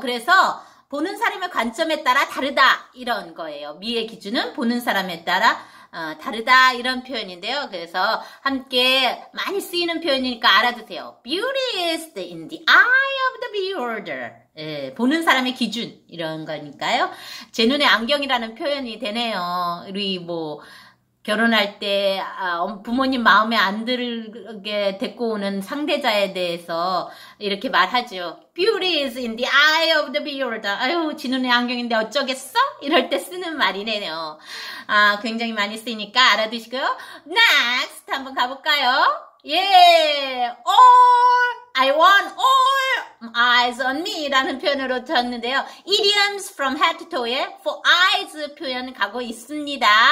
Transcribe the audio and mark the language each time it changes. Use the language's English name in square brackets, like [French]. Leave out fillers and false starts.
[Korean] 그래서 보는 사람의 관점에 따라 다르다 이런 거예요. 미의 기준은 보는 사람에 따라 다르다 이런 표현인데요. 그래서 함께 많이 쓰이는 표현이니까 알아두세요. [English] Beauty is in the eye of the beholder. [Korean] 예, 보는 사람의 기준 이런 거니까요. 제 눈에 안경이라는 표현이 되네요. 우리 뭐 결혼할 때 부모님 마음에 안 들게 데리고 오는 상대자에 대해서 이렇게 말하죠. [English] Beauty is in the eye of the beholder. [Korean] 아유, 지 눈의 안경인데 어쩌겠어? 이럴 때 쓰는 말이네요. 아, 굉장히 많이 쓰이니까 알아두시고요. [English] Next [Korean] 한번 가볼까요? 예, [English] all I want all eyes on me [Korean] 라는 표현으로 들었는데요. [English] Idioms from head to toe [Korean] 에 for eyes 표현 가고 있습니다.